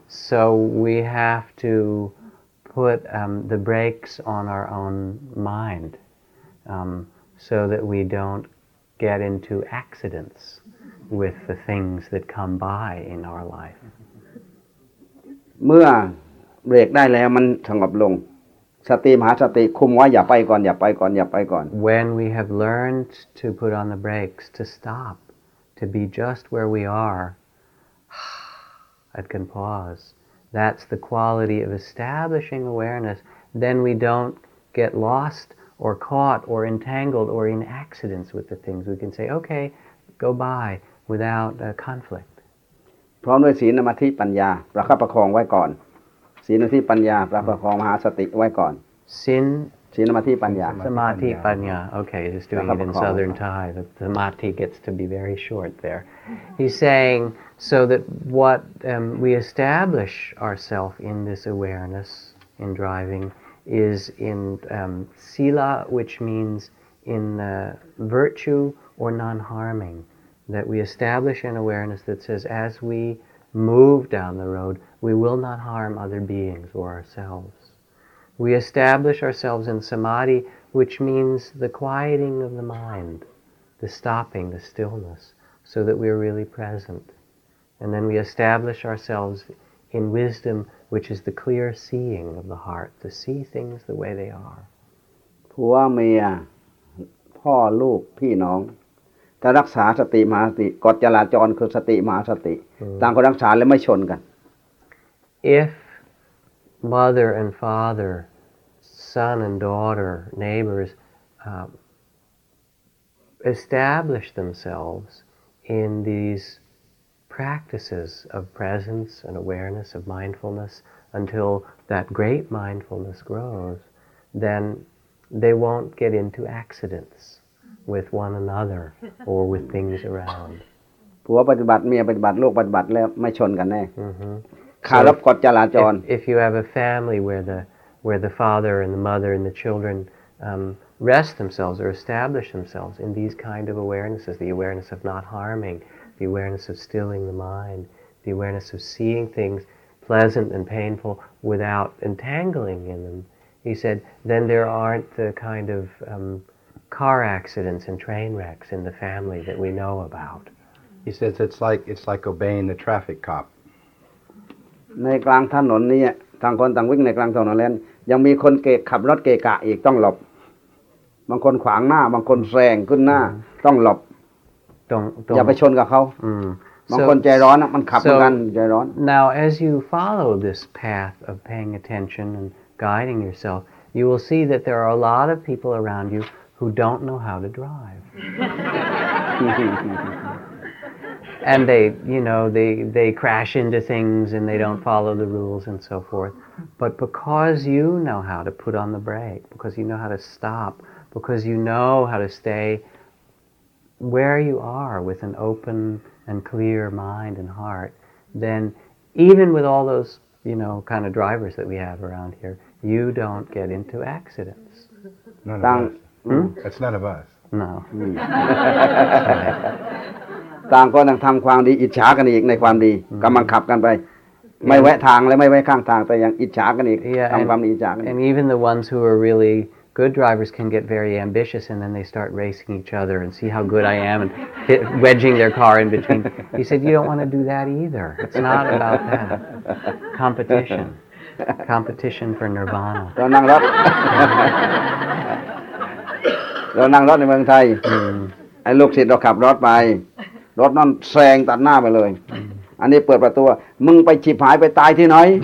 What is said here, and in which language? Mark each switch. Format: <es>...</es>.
<en>So we have to put the brakes on our own mind so that we don't get into accidents with the things that come by in our life.</en> <th>เมื่อเบรกได้แล้วมันสงบลงสติมหาสติคุมว่าอย่าไปก่อนอย่าไปก่อนอย่าไปก่อน</th> <en>When we have learned to put on the brakes, to stop, to be just where we are,It can pause. That's the quality of establishing awareness. Then we don't get lost or caught or entangled or in accidents with the things. We can say, okay, go by without a conflict.</en> <th>พร้อมด้วยศีลสมาธิปัญญาประคับประคองไว้ก่อนศีลสมาธิปัญญาประคับประคองมหาสติไว้ก่อน ศีล สมาธิปัญญา สมาธิปัญญา</th> <en>okay he's doing it in southern Thai the samadhi gets to be very short there he's saying so that what we establish ourselves in this awareness in driving is in sila which means in the virtue or non-harming that we establish an awareness that says as we move down the road we will not harm other beings or ourselvesWe establish ourselves in samadhi, which means the quieting of the mind, the stopping, the stillness, so that we are really present. And then we establish ourselves in wisdom, which is the clear seeing of the heart, to see things the way they are.</en> <th>ผัวเมียพ่อลูกพี่น้องถ้ารักษาสติมหาสติกฎจราจรคือสติมหาสติต่างคนรักษาแล้วไม่ชนกัน</th> <en>IfMother and father, son and daughter, neighbors, establish themselves in these practices of presence and awareness of mindfulness until that great mindfulness grows, then they won't get into accidents with one another or with things around.</en> <th>ผัวปฏิบัติเมียปฏิบัติลูกปฏิบัติแล้วไม่ชนกันแน่</th> <en>So if you have a family where the father and the mother and the children rest themselves or establish themselves in these kind of awarenesses, the awareness of not harming, the awareness of stilling the mind, the awareness of seeing things pleasant and painful without entangling in them, he said, then there aren't the kind of car accidents and train wrecks in the family that we know about. He says it's like obeying the traffic cop.</en> <th>ในกลางถนนนี่ต่างคนต่างวิ่งในกลางถนนแล้วยังมีคนเกะขับรถเกะกะอีกต้องหลบบางคนขวางหน้าบางคนแซงขึ้นหน้าต้องหลบ อ ย่าไปชนกับเขาบางคนใจร้อนมันขับเหมือนกันใจร้อน</th> <en>Now as you follow this path of paying attention and guiding yourself you will see that there are a lot of people around you who don't know how to drive And they crash into things and they don't follow the rules and so forth. But because you know how to put on the brake, because you know how to stop, because you know how to stay where you are with an open and clear mind and heart, then even with all those, you know, kind of drivers that we have around here, you don't get into accidents. That's none of us. No.</en> <th>ต่างคนต่างทำความดีอิจฉากันอีกในความดีกำลังขับกันไป ไม่แวะทางและไม่แวะข้างทางแต่ยังอิจฉากันอีกทำความอิจฉากัน</th> <en>And even the ones who are really good drivers can get very ambitious and then they start racing each other and see how good I am and hit, wedging their car in between. He said, you don't want to do that either. It's not about that. Competition. Competition for nirvana.</en> <th>เรานั่งรถเรานั่งรถในเมืองไทยไอ้ลูกศิษย์เราขับรถไปรถนั่นแซงตัดหน้าไปเลยอันนี้เปิดประตูมึงไปฉิบหายไปตายที่ไหน</th>